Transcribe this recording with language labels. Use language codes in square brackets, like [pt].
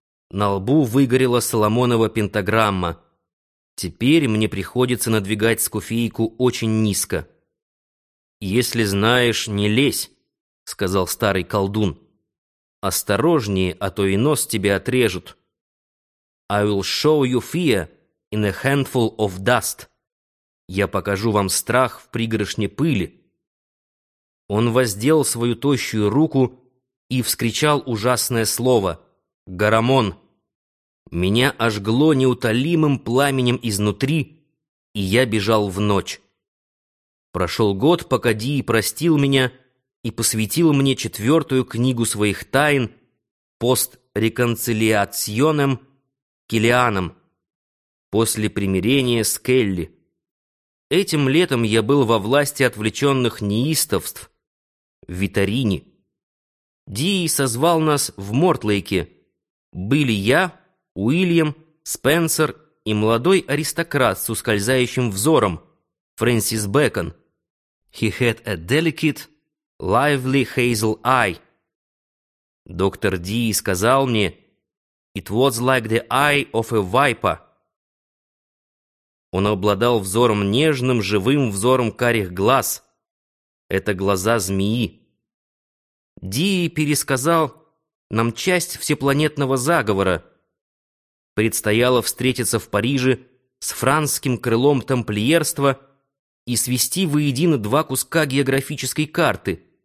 [ru] На лбу выгорела соломонова пентаграмма. Теперь мне приходится надвигать скуфейку очень низко. «Если знаешь, не лезь», — сказал старый колдун. «Осторожнее, а то и нос тебе отрежут. [en] I will show you fear in a handful of dust. [ru] Я покажу вам страх в пригоршне пыли». Он воздел свою тощую руку и вскричал ужасное слово «Гарамон». Меня ожгло неутолимым пламенем изнутри, и я бежал в ночь. Прошел год, пока Дии простил меня и посвятил мне четвертую книгу своих тайн «Пост реконцилиационем Килианом» после примирения с Келли. Этим летом я был во власти отвлеченных неистовств в Витарине. Дии созвал нас в Мортлейке. Были я, Уильям, Спенсер и молодой аристократ с ускользающим взором, Фрэнсис Бэкон. [en] He had a delicate, lively hazel eye. [ru] Доктор Дии сказал мне, [en] it was like the eye of a viper. [ru] Он обладал взором нежным, живым взором карих глаз. Это глаза змеи. Дии пересказал нам часть всепланетного заговора. Предстояло встретиться в Париже с франским крылом тамплиерства и свести воедино два куска географической карты.